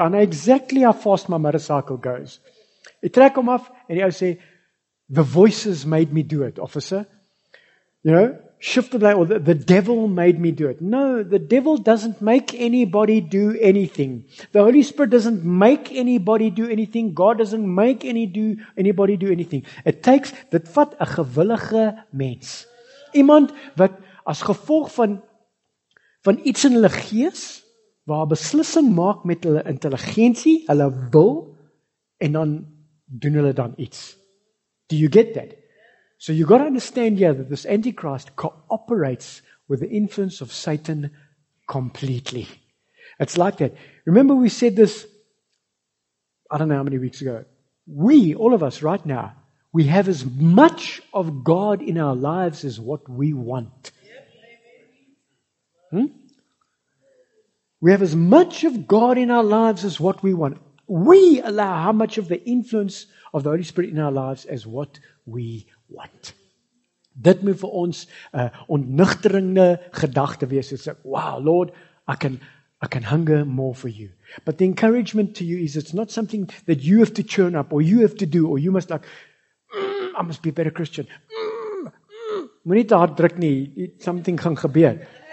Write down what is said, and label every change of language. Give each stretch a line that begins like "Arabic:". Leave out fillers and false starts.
English: I know exactly how fast my motorcycle goes.
Afrikaans: Ek trek hom af en die ou sê,
English: the voices made me do it, officer. You know, shift the blame, or the devil made me do it. No, the devil doesn't make anybody do anything. The Holy Spirit doesn't make anybody do anything. God doesn't make anybody do anything. It takes,
Afrikaans: dit vat 'n gewillige mens. Iemand wat as gevolg van iets in hulle gees, waar beslissing maak met hulle intelligentie, hulle wil, en dan doen hulle dan iets.
English: Do you get that? So you got to understand here that this Antichrist cooperates with the influence of Satan completely. It's like that. Remember we said this, I don't know how many weeks ago. We, all of us right now, we have as much of God in our lives as what we want. We have as much of God in our lives as what we want. We allow how much of the influence of the Holy Spirit in our lives as what we want.
Afrikaans: Dit moet vir ons 'n ontnugterende gedagte wees.
English: It's like, wow, Lord, I can hunger more for you. But the encouragement to you is it's not something that you have to churn up or you have to do or you must like, I must be a better Christian.
Afrikaans: Moet nie te hard druk nie, something gaan gebeur.